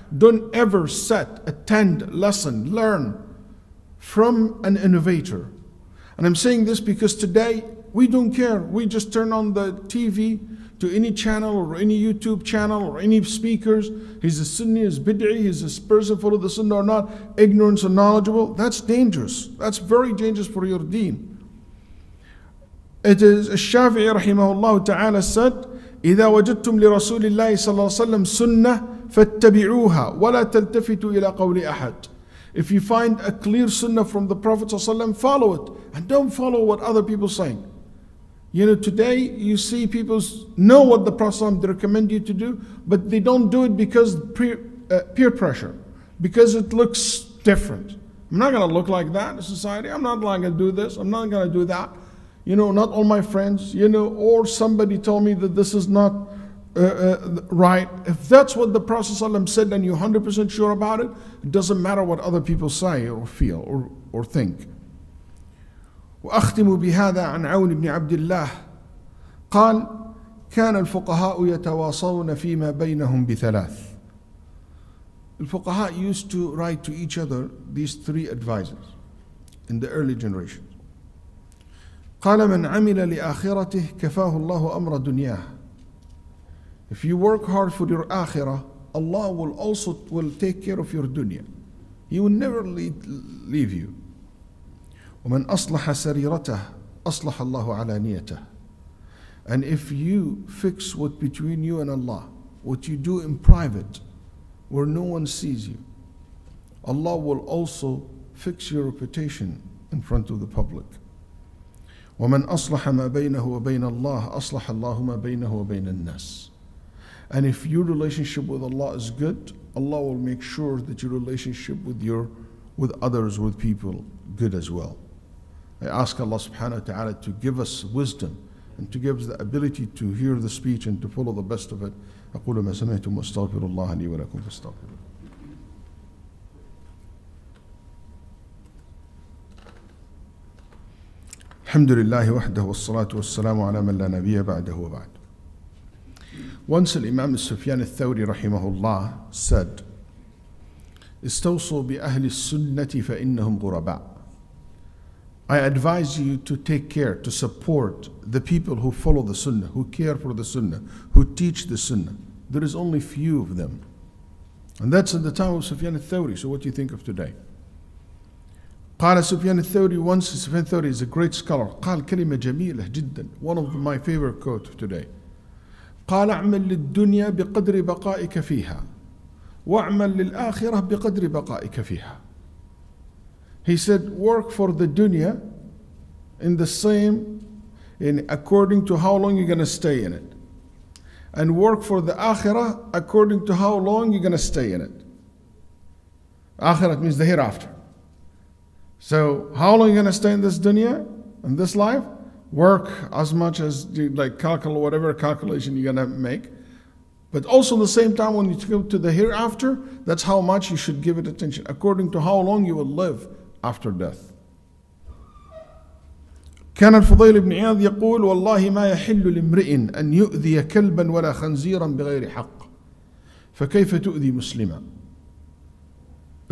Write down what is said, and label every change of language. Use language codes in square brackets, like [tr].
[en] Don't ever set, attend, listen, learn from an innovator. And I'm saying this because today, we don't care. We just turn on the TV to any channel or any YouTube channel or any speakers. He's a Sunni, he's bid'i, he's a person full of the Sunnah or not, ignorance or knowledgeable. That's dangerous. That's very dangerous for your deen. It is Shafi'i rahimahullah ta'ala said, [ar] إذا وجدتم لرسول الله صلى الله عليه وسلم سنة فاتبعوها ولا تلتفتوا إلى قول أحد. [en] If you find a clear sunnah from the Prophet ﷺ, follow it. And don't follow what other people are saying. You know, today you see people know what the Prophet ﷺ recommend you to do, but they don't do it because peer pressure, because it looks different. I'm not gonna look like that in society. I'm not gonna do this, I'm not gonna do that. You know, not all my friends, you know, or somebody told me that this is not right. If that's what the Prophet ﷺ said and you're 100% sure about it, it doesn't matter what other people say or feel or think. [ar] وأختم بهذا عن عون بن عبد الله قال كان الفقهاء يتواصلون فيما بينهم بثلاث. [en] الفقهاء used to write to each other these three advisors in the early generation. [ar] قال من عمل لآخرته كفاه الله أمر دنياه. [en] If you work hard for your akhirah, Allah will also will take care of your dunya. He will never leave you. [ar] وَمَنْ أَصْلَحَ سَرِيرَتَهُ أَصْلَحَ اللَّهُ عَلَانِيَتَهُ. [en] And if you fix what between you and Allah, what you do in private, where no one sees you, Allah will also fix your reputation in front of the public. [ar] وَمَنْ أَصْلَحَ مَا بَيْنَهُ وَبَيْنَ اللَّهُ أَصْلَحَ اللَّهُ مَا بَيْنَهُ وَبَيْنَ النَّاسِ. [en] And if your relationship with Allah is good, Allah will make sure that your relationship with others, with people, good as well. I ask Allah subhanahu wa ta'ala to give us wisdom and to give us the ability to hear the speech and to follow the best of it. [ar] أقول ما سمعتم أستغفر الله لي ولكم فاستغفروا. الحمد لله وحده والصلاة والسلام على من لا نبي بعده وبعد. [en] Once Imam Sufyan al-Thawri rahimahullah said, [ar] "Istawsu bi ahli sunnati fa innahum ghuraba." [en] I advise you to take care, to support the people who follow the sunnah, who care for the sunnah, who teach the sunnah. There is only few of them. And that's in the time of Sufyan al-Thawri. So what do you think of today? Qala Sufyan al-Thawri, once Sufyan al-Thawri is a great scholar, [ar] qala kalima jameela jiddan, [en] one of my favorite quotes of today. [ar] قال اعمل للدنيا بقدر بقائك فيها واعمل للآخرة بقدر بقائك فيها. [en] He said, work for the dunya in the same, in according to how long you're going to stay in it. And work for the akhirah according to how long you're going to stay in it. Akhirah means the hereafter. So how long you're going to stay in this dunya, in this life? Work as much as you like, calculate whatever calculation you're gonna make, but also at the same time, when you go to the hereafter, that's how much you should give it attention according to how long you will live after death. [ar] كان الفضيل بن عياض يقول والله ما يحل لامرئ أن يؤذي كلبا ولا خنزيرا بغير حق فكيف تؤذي مسلما.